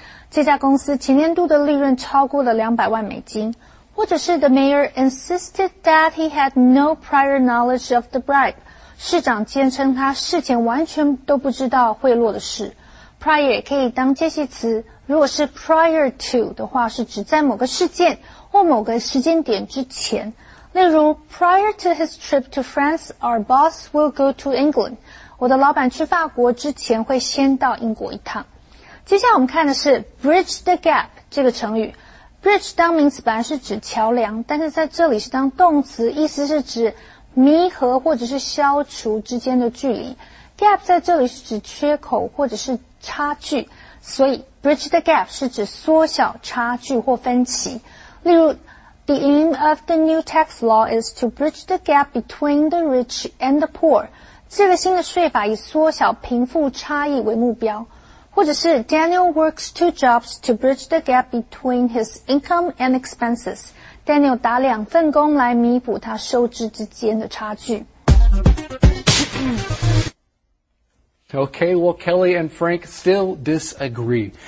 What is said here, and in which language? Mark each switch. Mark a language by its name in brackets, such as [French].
[Chinese] 这家公司前年度的利润超过了200万美金。或者是 [English] the mayor insisted that he had no prior knowledge of the bribe. [Chinese] 市长坚称他事前完全都不知道贿赂的事。 prior 也可以当介系词。如果是 prior to 的话是指在某个事件或某个时间点之前。例如 [English] prior to his trip to France, our boss will go to England. [Chinese] 我的老板去法国之前会先到英国一趟。接下来我们看的是 bridge the gap 这个成语。 bridge 当名词本来是指桥梁，但是在这里是当动词，意思是指弥合或者是消除之间的距离。 gap 在这里是指缺口或者是差距，所以Bridge the gap 是指缩小差距或分歧。例如 [English] ,the aim of the new tax law is to bridge the gap between the rich and the poor. [Chinese] 这个新的税法以缩小贫富差异为目标。或者是 [English] ,Daniel works two jobs to bridge the gap between his income and expenses. [Chinese] Daniel 打两份工来弥补他收支之间的差距。 [English] Okay, well, Kelly and Frank still disagree.